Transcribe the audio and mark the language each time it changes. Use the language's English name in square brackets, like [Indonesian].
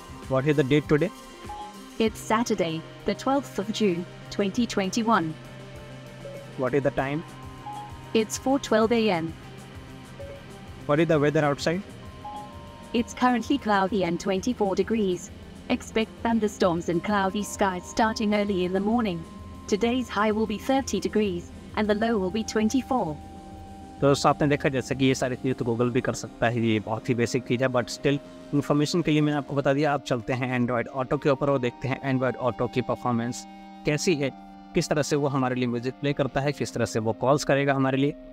[English] What is the date today? It's Saturday the 12th of June 2021। What is the time? It's 4:12 AM। What is the weather outside? It's currently cloudy and 24 degrees. Expect thunderstorms and cloudy skies starting early in the morning. Today's high will be 30 degrees and the low will be 24. [Hindi] तो आपने देखा जैसे कि ये सारी चीज़ें तो Google भी कर सकता है, ये बहुत ही बेसिक चीज़ है, बट स्टिल इन्फॉर्मेशन के लिए मैंने आपको बता दिया। आप चलते हैं एंड्रॉयड ऑटो के ऊपर और देखते हैं एंड्रॉयड ऑटो की परफॉर्मेंस कैसी है, किस तरह से वो हमारे लिए म्यूजिक प्ले करता है, किस तरह से वो कॉल्स करेगा हमारे लिए।